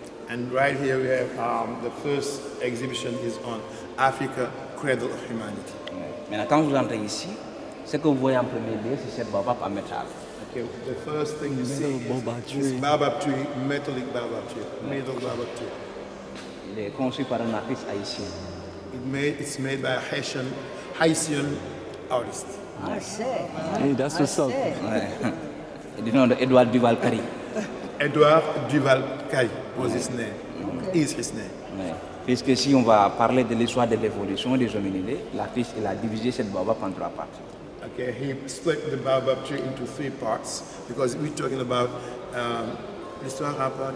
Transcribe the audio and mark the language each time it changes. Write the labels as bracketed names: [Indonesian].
[English] And right here we have the first exhibition is on Africa, Cradle of Humanity. [French] Mais quand vous entrez ici, ce que vous voyez en premier lieu, c'est cette baobab en métal. [English] Okay, the first thing you see is baobab tree, metallic baobab tree, metal baobab tree. [French] Il est conçu par un artiste haïtien. [English] It's made by a Haitian artist. Hey, that's what's up. [French] Du nom de Edouard Duval Cary. [English] Edouard Duval Cary was his name. Mm-hmm. Is his name. Mm-hmm. [French] Puisque si on va parler de l'histoire de l'évolution des hominidés, l'artiste il a divisé cette baobab en trois parties. [English] Okay, he split the baobab tree into three parts because we're talking about [French] l'histoire en partie.